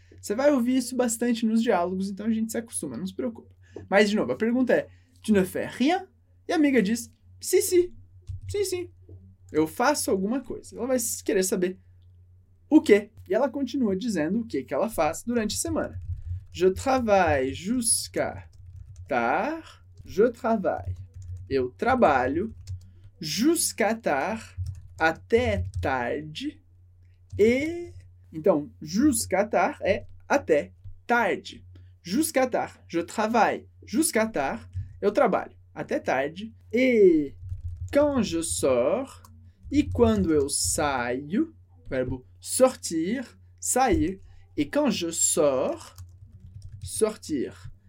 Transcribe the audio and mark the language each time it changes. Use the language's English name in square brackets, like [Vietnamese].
[Portuguese] Você vai ouvir isso bastante nos diálogos, então a gente se acostuma, não se preocupa. Mas, de novo, a pergunta é, [French] tu ne fais rien? [Portuguese] E a amiga diz, si, si, sim, sim, eu faço alguma coisa. Ela vai querer saber o quê? E ela continua dizendo o que que ela faz durante a semana. [French] Je travaille jusqu'à tard. Je travaille. [Portuguese] Eu trabalho [French] jusqu'à tard, [Portuguese] até tarde. E então, [French] jusqu'à tard [Portuguese] é até tarde. [French] Jusqu'à tard. Je travaille jusqu'à tard. [Portuguese] Eu trabalho até tarde. E [French] quand je sors, [Portuguese] e quando eu saio, verbo sortir, sair, e quand je sors, sortir.